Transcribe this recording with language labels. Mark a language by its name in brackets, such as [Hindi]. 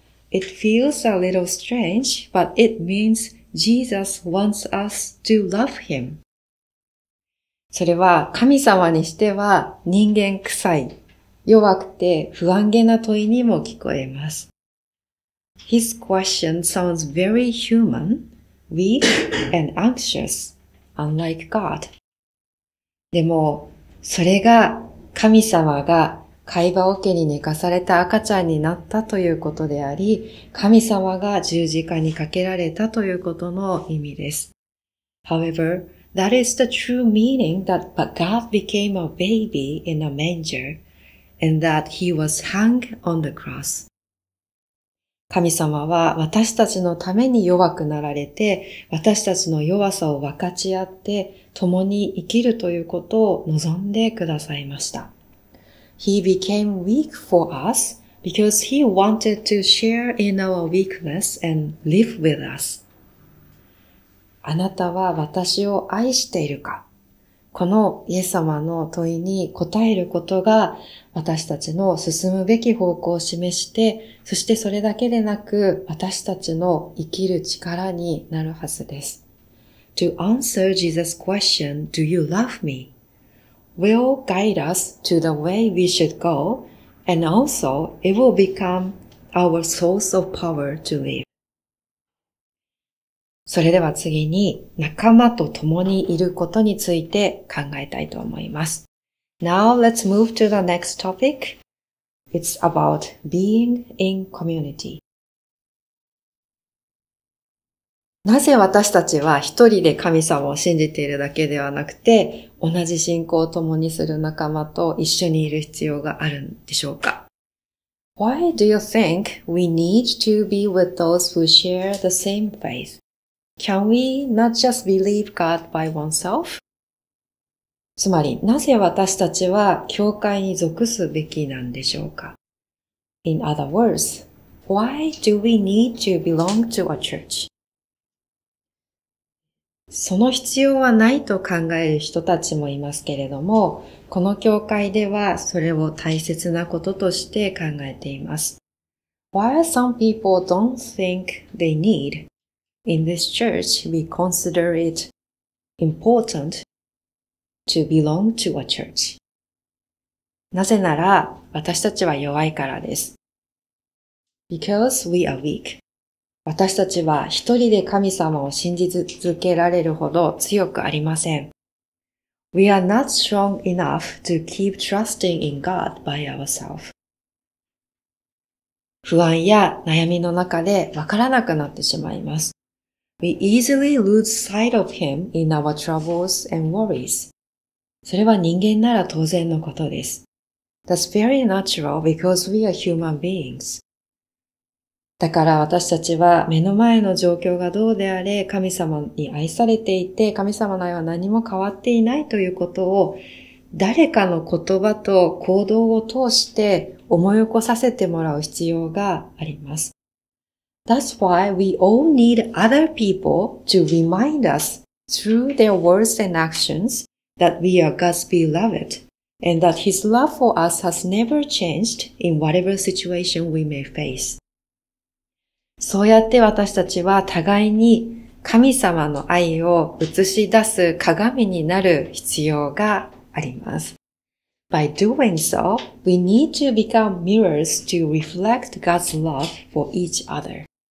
[English] It feels a little strange, but it means Jesus wants us to love him. [Japanese] それは神様にしては人間臭い、弱くて不安げな問いにも聞こえます。 [English] His question sounds very human, weak and anxious, unlike God. [Japanese] でも、それが神様が会話桶に寝かされた赤ちゃんになったということであり、神様が十字架にかけられたということの意味です。 [English] However, that is the true meaning that God became a baby in a manger and that he was hung on the cross. [Japanese] 神様は私たちのために弱くなられて、私たちの弱さを分かち合って、共に生きるということを望んでくださいました。 [English] He became weak for us because he wanted to share in our weakness and live with us. [Japanese] あなたは私を愛しているか?このイエス様の問いに答えることが私たちの進むべき方向を示して、そしてそれだけでなく私たちの生きる力になるはずです。 [English] To answer Jesus' question, do you love me? will guide us to the way we should go, and also it will become our source of power to live. [Japanese] それでは次に仲間と共にいることについて考えたいと思います。 [English] Now let's move to the next topic. It's about being in community. [Japanese] なぜ私たちは一人で神様を信じているだけではなくて、同じ信仰を共にする仲間と一緒にいる必要があるんでしょうか？ [English] Why do you think we need to be with those who share the same faith? Can we not just believe God by oneself? [Japanese] つまり、なぜ私たちは教会に属すべきなんでしょうか？ [English] In other words, why do we need to belong to a church? [Japanese] その必要はないと考える人たちもいますけれども、この教会ではそれを大切なこととして考えています。 [English] While some people don't think they need, in this church we consider it important to belong to a church. [Japanese] なぜなら私たちは弱いからです。 [English] Because we are weak. [Japanese] 私たちは一人で神様を信じ続けられるほど強くありません。 [English] We are not strong enough to keep trusting in God by ourselves. [Japanese] 不安や悩みの中でわからなくなってしまいます。 [English] We easily lose sight of Him in our troubles and worries. [Japanese] それは人間なら当然のことです。 [English] That's very natural because we are human beings. [Japanese] だから私たちは目の前の状況がどうであれ神様に愛されていて神様の愛は何も変わっていないということを誰かの言葉と行動を通して思い起こさせてもらう必要があります。 [English] That's why we all need other people to remind us through their words and actions that we are God's beloved and that His love for us has never changed in whatever situation we may face. [Japanese] そうやって私たちは互いに神様の愛を映し出す鏡になる必要があります。 [English] By doing so, we need to become mirrors to reflect God's love for each other.